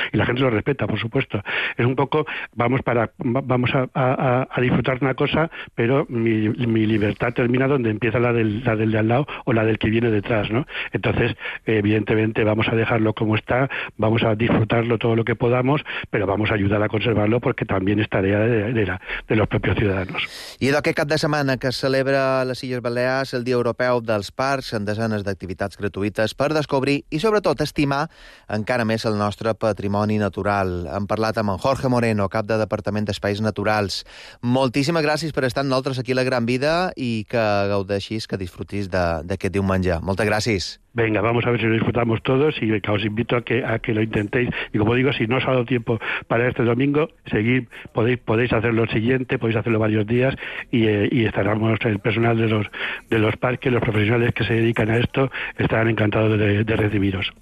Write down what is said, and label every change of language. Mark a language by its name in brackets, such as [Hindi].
[Spanish] Y la gente lo respeta, por supuesto. Es un poco, vamos a disfrutar una cosa, pero mi libertad termina donde empieza la del de al lado o la del que viene detrás, ¿no? Entonces, evidentemente, vamos a dejarlo como está, vamos a disfrutarlo todo lo que podamos, pero vamos a ayudar a conservarlo porque también es tarea de los propios ciudadanos. [Catalan] ¿Y de qué cap de setmana que es celebra a les Illes Balears el Dia Europeu dels Parcs amb desenes d'activitats gratuïtes per descobrir i sobretot estimar encara més el nostre patrimoni natural. Hem parlat amb en Jorge Moreno, cap de Departament d'Espais Naturals. Moltíssimes gràcies per estar amb nosaltres aquí a la Gran Vida i que gaudeixis, que disfrutis d'aquest diumenge. Moltes gràcies. [Spanish] Venga, vamos a ver si lo disfrutamos todos y os invito a que lo intentéis. Y como digo, si no os ha dado tiempo para este domingo, seguid, podéis hacerlo el siguiente, podéis hacerlo varios días y estaremos el personal de los parques, los profesionales que se dedican a esto, estarán encantados de recibiros.